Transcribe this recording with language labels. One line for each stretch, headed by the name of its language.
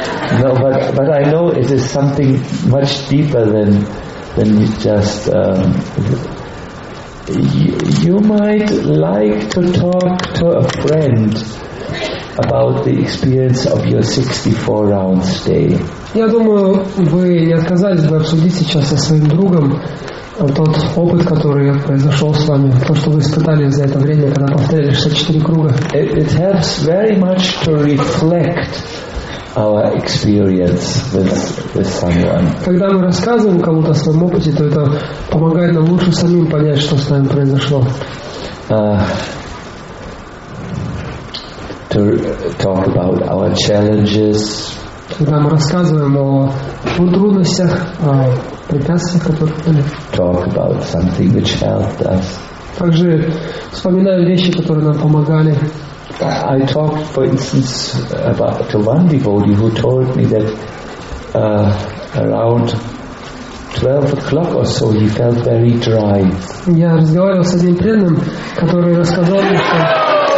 English: No, but I know it is something much deeper than just. You might like to talk to a friend about the experience of your 64-round stay.
Russian: Я думаю, вы не отказались бы обсудить сейчас со своим другом тот опыт, который произошел с вами, то, что вы испытали за это время, когда повторяли 64 круга.
English: It helps very much to reflect our experience with someone.
Russian: Когда мы рассказываем кому-то о своем опыте, то это помогает нам лучше самим понять, что с нами произошло.
English: To talk about our challenges.
Russian: Когда мы рассказываем о трудностях, о препятствиях, которые были.
English: Talk about something which helped us.
Russian: Также вспоминаем вещи, которые нам помогали.
English: I talked, for instance, to one devotee who told me that around 12 o'clock or so he felt very dry.
Russian: Я разговаривал с одним преданным, который рассказал мне, что...